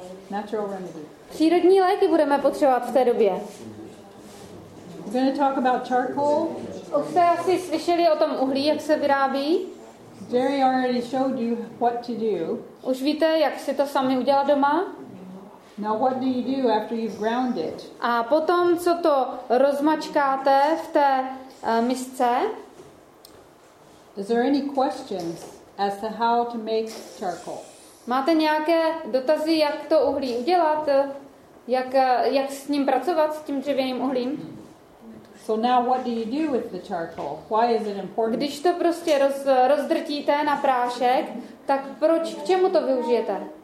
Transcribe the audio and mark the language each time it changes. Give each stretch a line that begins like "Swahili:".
English: Natural remedy.
Czech: Přírodní léky budeme potřebovat v té době.
English: We're going to talk about charcoal.
Czech: Už jste asi slyšeli o tom uhlí, jak se vyrábí.
English: Jerry already showed you what to do.
Czech: Už víte, jak si to sami udělat doma.
English: Now what do you do after you've ground it?
Czech: A potom, co to rozmačkáte v té misce?
English: Is there any questions as to how to make charcoal?
Czech: Máte nějaké dotazy, jak to uhlí udělat, jak s ním pracovat, s tím dřevěným uhlím?
English: So now what do you do with the charcoal? Why is it important?
Czech: Když to prostě rozdrtíte na prášek, tak proč, k čemu to využijete?